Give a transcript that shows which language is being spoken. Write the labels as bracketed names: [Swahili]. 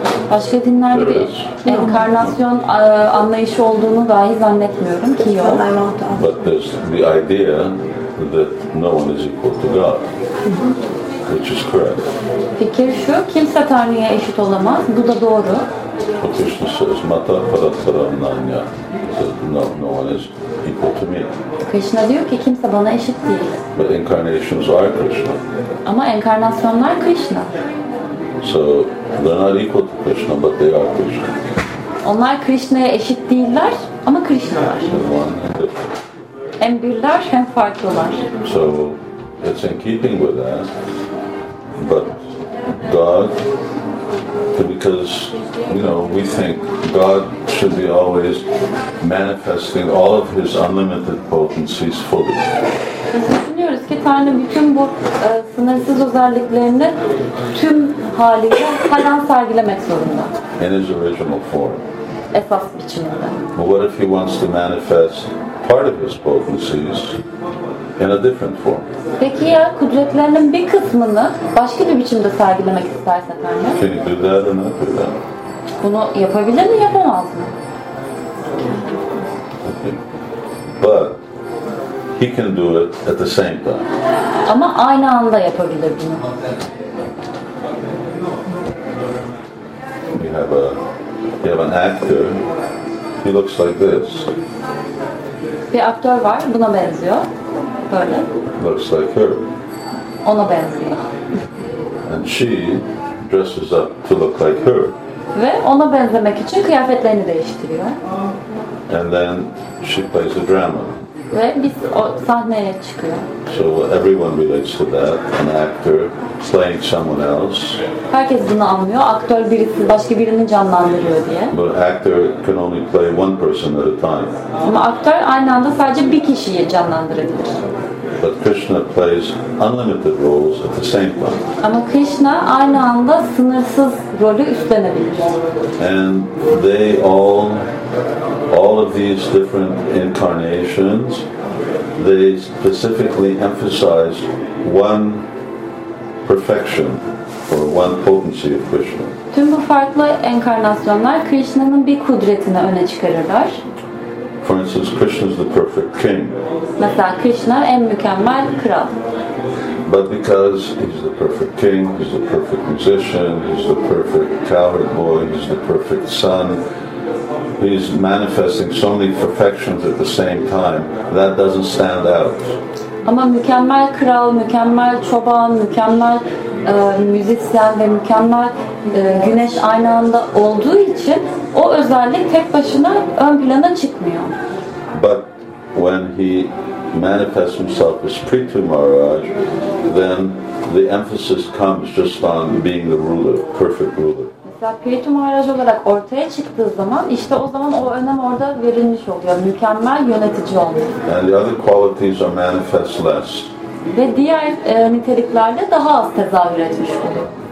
[Turkish] Başka dinlerde bir enkarnasyon anlayışı olduğunu dahi zannetmiyorum ki yok. [English] But there's the idea that no one is equal to God, which is correct. [Turkish] Fikir şu, kimse Tanrı'ya eşit olamaz. Bu da doğru. [English] But Krishna says, [Sanskrit] "Mata paratara nanya." [English] He says, "No, no one is equal to me." [Turkish] Krishna diyor ki, kimse bana eşit değil. [English] But incarnations are Krishna. [Turkish] Ama enkarnasyonlar Krishna. [English] So they're not equal to Krishna, but they are Krishna. [Turkish] Onlar Krishna'ya eşit değiller, ama Krishna'lar. Hem birler, hem farklılar. [English] So it's in keeping with that, but God. Because we think God should be always manifesting all of His unlimited potencies fully. [Turkish] Düşünüyoruz ki Tanrı bütün bu sınırsız özelliklerini tüm haliyle falan sergilemek zorunda. [English] In His original form. [Turkish] Esas biçiminde. [English] But what if He wants to manifest part of His potencies? in a different form. [Turkish] Peki ya kudretlerinin bir kısmını başka bir biçimde sergilemek istersen Tanrı? [English] Can you do that or not do that? [Turkish] Bunu yapabilir mi, yapamaz mı? [English] But he can do it at the same time. [Turkish] Ama aynı anda yapabilir bunu. [English] You have an actor. He looks like this. [Turkish] Bir aktör var, buna benziyor. Böyle. [English] Looks like her. [Turkish] Ona benziyor. [English] And she dresses up to look like her. [Turkish] Ve ona benzemek için kıyafetlerini değiştiriyor. [English] And then she plays a drama. [Turkish] Ve biz o sahneye çıkıyor. [English] So everyone relates to that, an actor playing someone else. [Turkish] Herkes bunu anlıyor, aktör birisi başka birini canlandırıyor diye. [English] But actor can only play one person at a time. [Turkish] Ama aktör aynı anda sadece bir kişiyi canlandırabilir. [English] But Krishna plays unlimited roles at the same time. [Turkish] Ama Krishna aynı anda sınırsız rolü üstlenebilir. [English] And they all of these different incarnations, they specifically emphasize one perfection or one potency of Krishna. [Turkish] Tüm bu farklı enkarnasyonlar Krishna'nın bir kudretini öne çıkarırlar. [English] For instance, Krishna is the perfect king. [Turkish] Mesela Krishna en mükemmel kral. [English] But because he's the perfect king, he's the perfect musician, he's the perfect cowherd boy, he's the perfect son, he's manifesting so many perfections at the same time, that doesn't stand out. [Turkish] Ama mükemmel kral, mükemmel çoban, mükemmel müzisyen ve mükemmel güneş aynı anda olduğu için o özellik tek başına ön plana çıkmıyor. [English] But when he manifests himself as Prithu Maharaj, then the emphasis comes just on being the ruler, perfect ruler. [Turkish] Mesela Prithu Maharaj olarak ortaya çıktığı zaman, işte o zaman o önem orada verilmiş oluyor, mükemmel yönetici olmak. [English] And the other qualities are manifest less. [Turkish] Ve diğer niteliklerde daha az tezahür etmiş oluyor.